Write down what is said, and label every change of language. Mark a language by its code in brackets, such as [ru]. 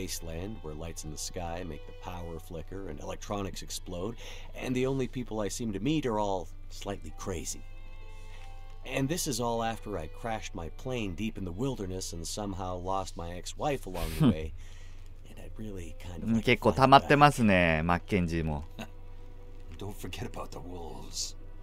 [en] Wasteland where lights in the sky make the power flicker and electronics explode, and the only people I seem to meet are all slightly crazy. And this is all after I crashed my plane deep in the wilderness and somehow lost my ex-wife along the way. And I really kind of like [ja] 結構溜まってますね、マッケンジーも。 [en] Don't forget about the wolves.